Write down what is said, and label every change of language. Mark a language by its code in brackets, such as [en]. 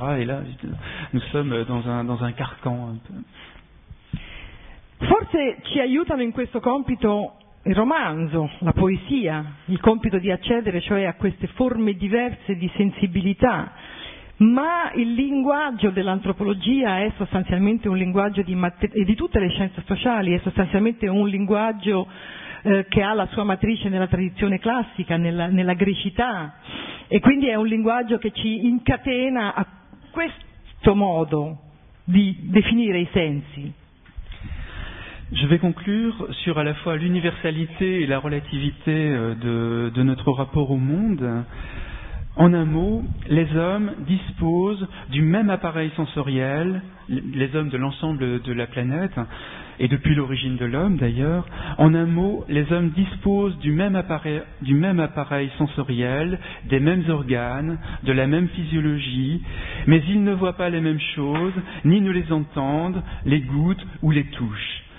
[fr] Et là, nous sommes dans un carcan un peu. [it] Forse ci aiutano in questo compito il romanzo, la poesia, il compito di accedere cioè a queste forme diverse di sensibilità, ma il linguaggio dell'antropologia è sostanzialmente un linguaggio di tutte le scienze sociali, è sostanzialmente un linguaggio che ha la sua matrice nella tradizione classica, nella grecità, e quindi è un linguaggio che ci incatena a questo modo di definire i sensi. [fr] Je vais conclure sur à la fois l'universalité et la relativité de notre rapport au monde. En un mot, les hommes disposent du même appareil sensoriel, les hommes de l'ensemble de la planète, et depuis l'origine de l'homme d'ailleurs, en un mot, les hommes disposent du même appareil sensoriel, des mêmes organes, de la même physiologie, mais ils ne voient pas les mêmes choses, ni ne les entendent, les goûtent ou les touchent.